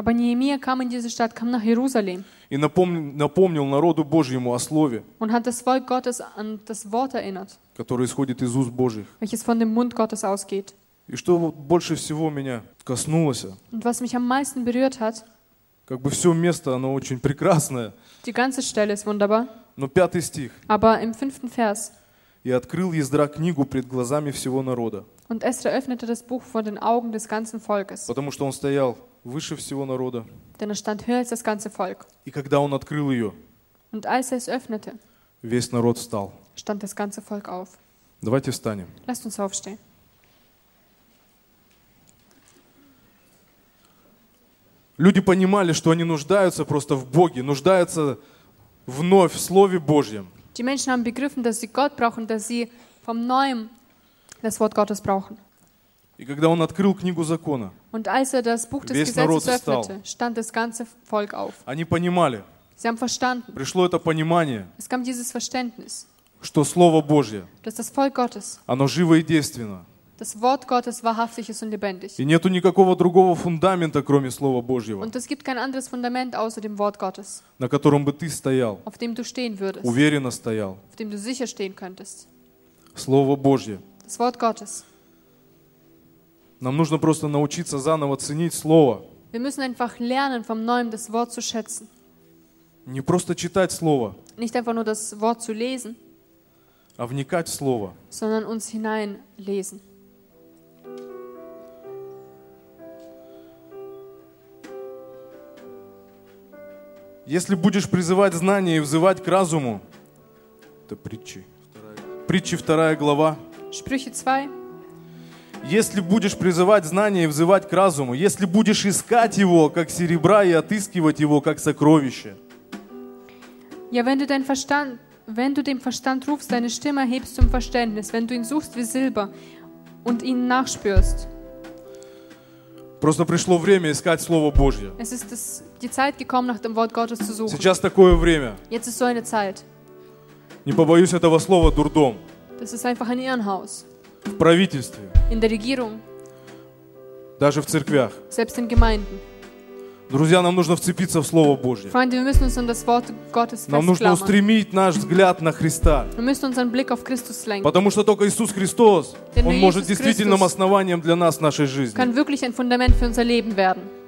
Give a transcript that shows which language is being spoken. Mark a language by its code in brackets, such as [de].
[de] Aber Nehemia kam in diese Stadt, kam nach Jerusalem. [ru] И напомнил народу Божьему о слове. [de] Und hat das Volk Gottes an das Wort erinnert. [ru] Которое исходит из уст Божьих. [de] Welches von dem Mund Gottes ausgeht. [ru] И что больше всего меня коснулось? [de] Und was mich am meisten berührt hat. [ru] Как бы все место, оно очень прекрасное. [de] Die ganze Stelle ist wunderbar. [ru] Но пятый стих. [de] Aber im fünften Vers. [ru] И открыл Ездра книгу пред глазами всего народа. [de] Und Ezra öffnete das Buch vor den Augen des ganzen Volkes. [ru] Потому что он стоял выше всего народа. [de] Denn er stand höher als das ganze Volk. [ru] И когда он открыл ее, [de] und als er es öffnete, [ru] весь народ встал. [de] Stand das ganze Volk auf. [ru] Давайте встанем. [de] Lasst uns aufstehen. [ru] Люди понимали, что они нуждаются просто в Боге, нуждаются вновь в Слове Божьем. [de] Die Menschen haben begriffen, dass sie Gott brauchen, dass sie vom Neuen das Wort Gottes brauchen. [ru] И когда он открыл книгу закона, [de] und als er das Buch des Gesetzes öffnete, stand das ganze Volk auf. [ru] Они понимали. [de] Sie haben verstanden. [ru] Пришло это понимание. [de] Es kam dieses Verständnis. [ru] Что Слово Божье. [de] Dass das Volk Gottes. [ru] Оно живо и действенно. [de] Das Wort Gottes wahrhaftig ist und lebendig. [ru] И нету никакого другого фундамента, кроме Слова Божьего. [de] Und es gibt kein anderes Fundament außer dem Wort Gottes. [ru] На котором бы ты стоял. [de] Auf dem du stehen würdest. [ru] Уверенно стоял. [de] Auf dem du sicher stehen könntest. [ru] Слово Божье. [de] Das Wort Gottes. [ru] Нам нужно просто научиться заново ценить Слово. [de] Wir müssen einfach lernen, vom Neuen das Wort zu schätzen. [ru] Не просто читать Слово. [de] Nicht einfach nur das Wort zu lesen. [ru] а вникать в Слово. [de] Sondern uns hineinlesen. [ru] Если будешь призывать знания и взывать к разуму, это притчи. Притчи 2 глава. [de] Sprüche 2. [ru] Если будешь призывать знания и взывать к разуму, если будешь искать его, как серебра, и отыскивать его, как сокровище. [de] Ja, wenn du dein Verstand, wenn du dem Verstand rufst, deine Stimme erhebst zum Verständnis, wenn du ihn suchst wie Silber und ihn nachspürst. [ru] Просто пришло время искать Слово Божье. [de] Es ist die Zeit gekommen, nach dem Wort Gottes zu suchen. [ru] Сейчас такое время. [de] Jetzt ist so eine Zeit. [ru] Не побоюсь этого слова, дурдом. [de] Das ist einfach ein Ehrenhaus. [ru] В правительстве. [de] In der Regierung. [ru] Даже в церквях. [de] Selbst in Gemeinden. [ru] Друзья, нам нужно вцепиться в Слово Божье. [de] Freunde, wir müssen uns an das Wort Gottes [ru] нам нужно устремить наш взгляд на Христа. [de] Wir müssen unseren Blick auf Christus lenken. [ru] Потому что только Иисус Христос, [de] Denn [ru] Он может действительным основанием для нас нашей жизни. [de] Kann wirklich ein Fundament für unser Leben werden.